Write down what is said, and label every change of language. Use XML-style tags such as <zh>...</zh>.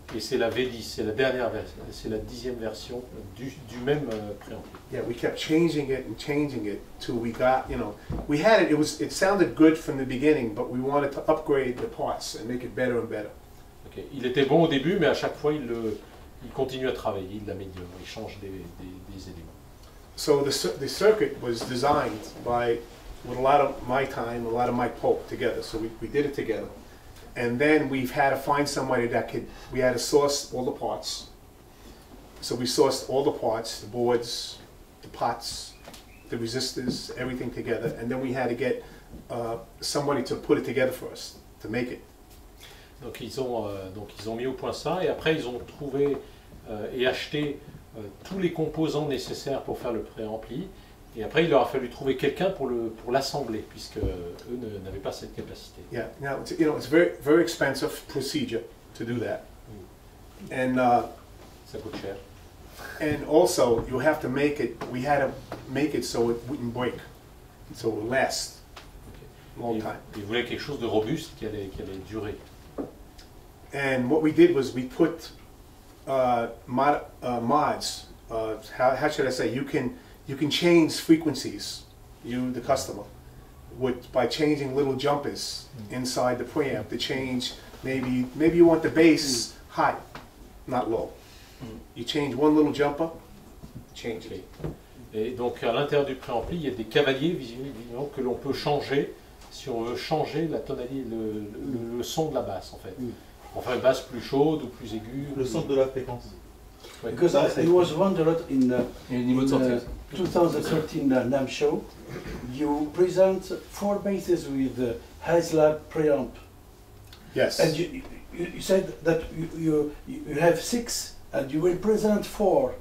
<fr>Et c'est la V10, c'est la dernière version, c'est la 10e version du même préampli.</fr> <en>Yeah, we kept changing it till we got, you know, we had it. It sounded good from the beginning, but we wanted to upgrade the parts and make it better and better. Okay.</en> <fr>Il était bon au début, mais à chaque fois il continue à travailler, il l'améliore, il change des éléments.</fr> <en>So the circuit was designed by with a lot of my time, a lot of Mike Pope together. So we did it together, and then we've had to find somebody that could. We had to source all the parts. So we sourced all the parts, the boards, the pots, the resistors, everything together, and then we had to get somebody to put it together for us to make it.</en> <fr>Donc ils ont mis au point ça, et après ils ont trouvé et acheté tous les composants nécessaires pour faire le préampli, et après il leur a fallu trouver quelqu'un pour l'assembler puisque eux n'avaient pas cette capacité.</fr> <en>Yeah, now it's, you know, it's a very very expensive procedure to do that. Mm. And</en> <fr>ça coûte cher.</fr> <en>And also you have to make it. We had to make it so it wouldn't break, so it would last long time.</en> <fr>Ils voulaient quelque chose de robuste qui allait durer.</fr> <en>And what we did was we put mods. How should I say? You can change frequencies. You, the customer, would by changing little jumpers inside the preamp to change. Maybe you want the bass high, not low. You change one little jumper. Change it.</en> <fr>Et donc à l'intérieur du préampli, il y a des cavaliers visiblement que l'on peut changer si on veut changer la tonalité, le son de la basse en fait. Enfin, une basse plus chaude ou plus aiguë. Le centre de la fréquence.</fr> <en>Because I was wondering in the 2013 NAMM show, you present four basses with the Haslab preamp. Yes. And you said that you have six and you will present four.</en>